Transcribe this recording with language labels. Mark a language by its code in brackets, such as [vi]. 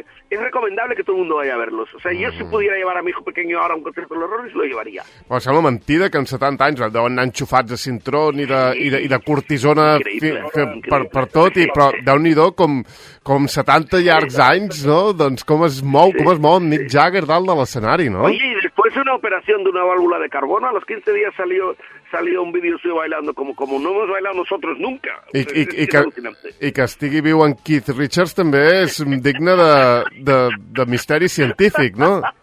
[es] Es recomendable que todo el mundo vaya a verlos. O sea, yo si pudiera llevar a mi hijo pequeño ahora a un concierto de los Rollins, lo llevaría. [ca] Bueno, sembla mentida que en 70 anys deuen anar enxufats de cintrón i de cortisona per tot, però déu-n'hi-do com 70 llargs anys, no? Doncs com es mou en Mick Jagger dalt de l'escenari, no? [es] Oye, después de una operación de una válvula de carbono, a los 15 días salió un vídeo suyo bailando como no hemos bailado nosotros nunca. [ca] I que estigui viu en Keith Richards també és digne de misteri científic, no?